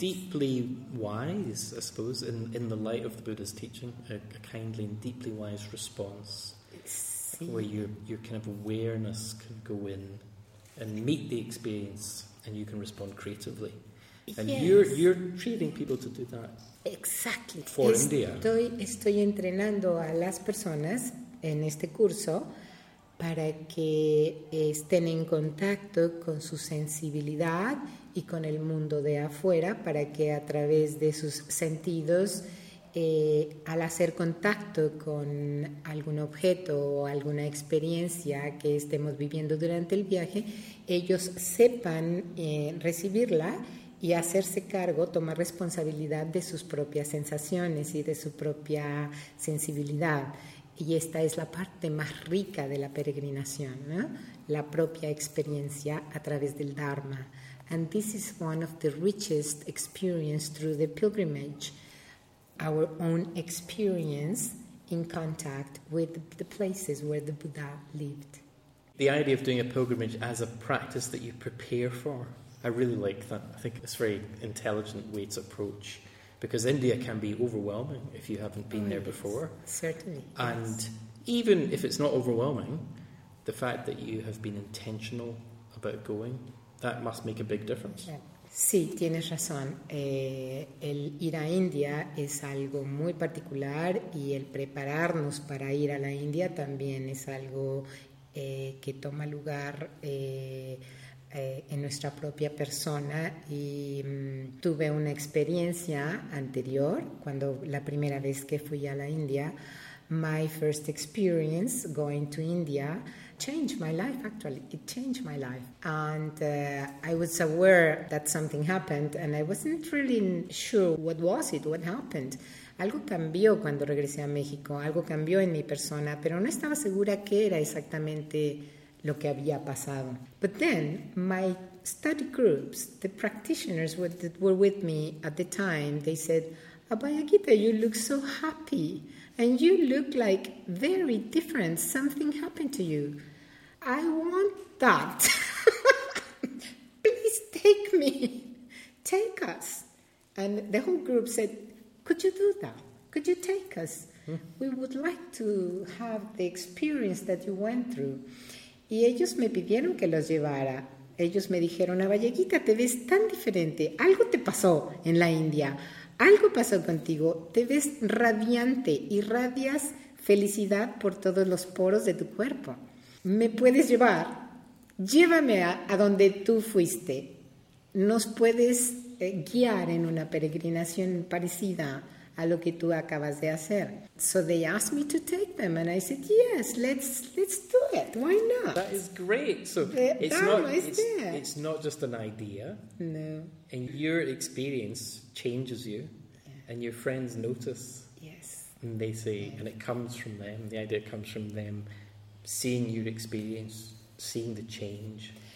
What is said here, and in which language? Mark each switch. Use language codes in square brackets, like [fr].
[en] deeply wise, I suppose, in the light of the Buddha's teaching, a kindly and deeply wise response, [es] sí, [en] where your kind of awareness can go in and meet the experience and you can respond creatively. And yes, you're treating people to do that. Exactly. For India. [es] Estoy entrenando a las personas en este curso para que estén en contacto con su sensibilidad y con el mundo de afuera, para que a través de sus sentidos, al hacer contacto con algún objeto o alguna experiencia que estemos viviendo durante el viaje, ellos sepan recibirla y hacerse cargo, tomar responsabilidad de sus propias sensaciones y de su propia sensibilidad. Y esta es la parte más rica de la peregrinación, ¿no? La propia experiencia a través del Dharma. [en] And this is one of the richest experiences through the pilgrimage, our own experience in contact with the places where the Buddha lived. The idea of doing a pilgrimage as a practice that you prepare for, I really like that. I think it's a very intelligent way to approach, because India can be overwhelming if you haven't been there before. Certainly. And yes, even if it's not overwhelming, the fact that you have been intentional about going, that must make a big difference. [es] Sí, tienes razón. El ir a India es algo muy particular y el prepararnos para ir a la India también es algo que toma lugar en nuestra propia persona. Y tuve una experiencia anterior cuando la primera vez que fui a la India. [en] My first experience going to India changed my life, actually. It changed my life. And I was aware that something happened, and I wasn't really sure what was it, what happened. [es] Algo cambió cuando regresé a México. Algo cambió en mi persona, pero no estaba segura qué era exactamente lo que había pasado. [en] But then, my study groups, the practitioners that were with me at the time, they said, Abhaya Gita, you look so happy. And you look like very different. Something happened to you. I want that. Please take me. Take us. And the whole group said, could you do that? Could you take us? We would like to have the experience that you went through. [es] Y ellos me pidieron que los llevara. Ellos me dijeron, Abhaya Gita, te ves tan diferente. Algo te pasó en la India. Algo pasó contigo. Te ves radiante. Irradias felicidad por todos los poros de tu cuerpo. ¿Me puedes llevar? Llévame a donde tú fuiste. ¿Nos puedes guiar en una peregrinación parecida a lo que tú acabas de hacer? [en] So they asked me to take them, and I said, yes, let's do it. Why not? That is great. So it's not just an idea. No. And your experience changes you, yeah. And your friends notice. Yes. And they say, yeah. And it comes from them, the idea comes from them seeing your experience, seeing the change.